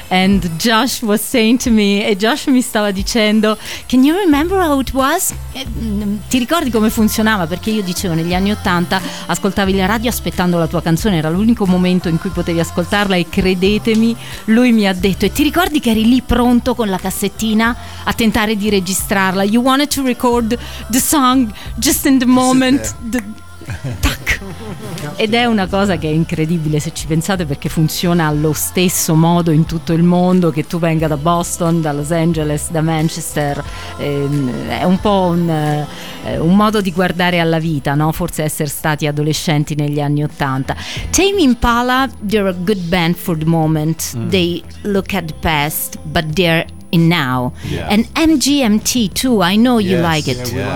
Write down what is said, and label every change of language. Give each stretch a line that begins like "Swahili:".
English: And Josh was saying to me,
Italian: e Josh mi stava dicendo,
English: can you remember how it was?
Italian: Ti ricordi come funzionava? Perché io dicevo, negli anni Ottanta ascoltavi la radio aspettando la tua canzone, era l'unico momento in cui potevi ascoltarla, e credetemi, lui mi ha detto, e ti ricordi che eri lì pronto con la cassettina a tentare di registrarla?
English: You wanted to record the song just in the moment. Tac.
Italian: Ed è una cosa che è incredibile se ci pensate, perché funziona allo stesso modo in tutto il mondo, che tu venga da Boston, da Los Angeles, da Manchester. È un po' un modo di guardare alla vita, no? Forse essere stati adolescenti negli anni Ottanta.
English: Tame Impala, they're a good band for the moment. They look at the past, but they're in now. And MGMT too, I know you like it.